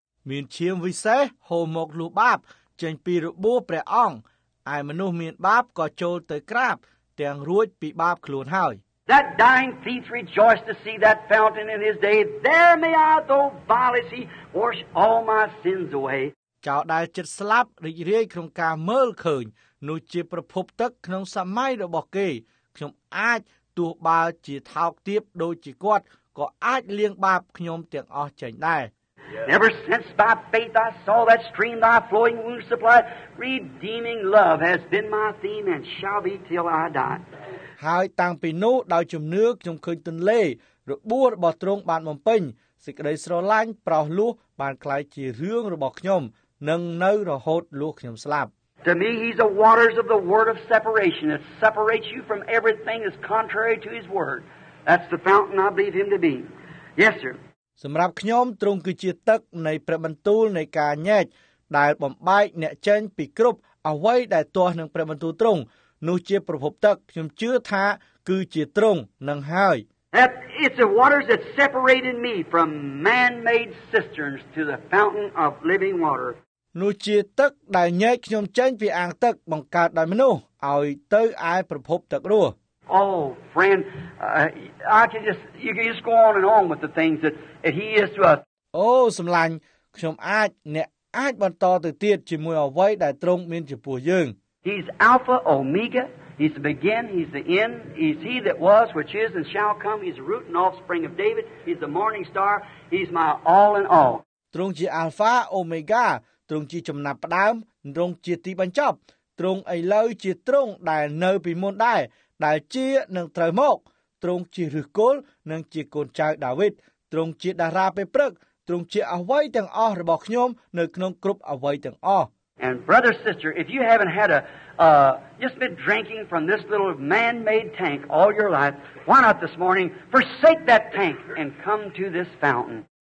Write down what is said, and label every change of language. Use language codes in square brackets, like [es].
[km] មានឈាមវិសេសហូរមកលុបបាបចេញពីរបួសព្រះអង្គឯមនុស្សមានបាបក៏ចូលទៅក្រាបទាំងរួចពីបាបខ្លួនហើយ [en] That dying thief rejoiced to see that fountain in his day. There may I though vilely see wash all my sins away. [km] ចោលដែលចិត្តស្លាប់រីករាយក្នុងការមើលឃើញនោះជាប្រភពទឹកក្នុងសម័យរបស់គេខ្ញុំអាចទោះបើជាថោកទាបដូចជាគាត់ក៏អាចលៀងបាបខ្ញុំទាំងអស់ចេញដែរ [en] Never since by faith I saw that stream thy flowing wounds supply redeeming love has been my theme and shall be till I die [km] ហើយតាំងពីនោះដោយជំនឿខ្ញុំឃើញទន្លេរបួសរបស់ទ្រង់បានបំពេញសេចក្តីស្រឡាញ់ប្រោសលោះបានក្លាយជារឿងរបស់ខ្ញុំនឹងនៅរហូតលោះខ្ញុំស្លាប់ [en] To me, he's the waters of the word of separation. It separates you from everything that's contrary to his word. That's the fountain I believe him to be. Yes, sir. [km] សម្រាប់ខ្ញុំទ្រង់គឺជាទឹកនៃព្រះបន្ទូលនៃការញែកដែលបំបែកអ្នកចេញពីគ្រប់អ្វីដែលទាស់នឹងព្រះបន្ទូលទ្រង់នោះជាប្រភពទឹកខ្ញុំជឿថាគឺជាទ្រង់នឹងហើយ [en] It's the waters that separated me from man-made cisterns to the fountain of living water. [km] នោះជាទឹកដែលញែកខ្ញុំចេញពីអាងទឹកបង្កើតដោយមនុស្សឲ្យទៅឯប្រភពទឹករស់ [en] Oh, friend, you can just go on and on with the things that he is to us. [km] អូសំឡាញ់ខ្ញុំអាចអ្នកអាចបន្តទៅទៀតជាមួយអ្វីដែលទ្រង់មានចំពោះយើង [en] He's Alpha Omega, he's the beginning, he's the end, he's he that was, which is and shall come, he's the root and offspring of David, he's the morning star, he's my all in all. [km] ទ្រង់ជា Alpha Omega, ទ្រង់ជាចំណាប់ផ្ដើមទ្រង់ជាទីបញ្ចប់ទ្រង់ឥឡូវជាទ្រង់ដែលនៅពីមុនដែរដែលជានឹងត្រូវមកទ្រង់ជាឫសគល់និងជាកូនចៅដាវីតទ្រង់ជាតារាពេលព្រឹកទ្រង់ជាអ្វីទាំងអស់របស់ខ្ញុំនៅក្នុងគ្រប់អ្វីទាំងអស់ [en] And brother sister if you haven't had a just been drinking from this little man-made tank all your life why not this morning forsake that tank and come to this fountain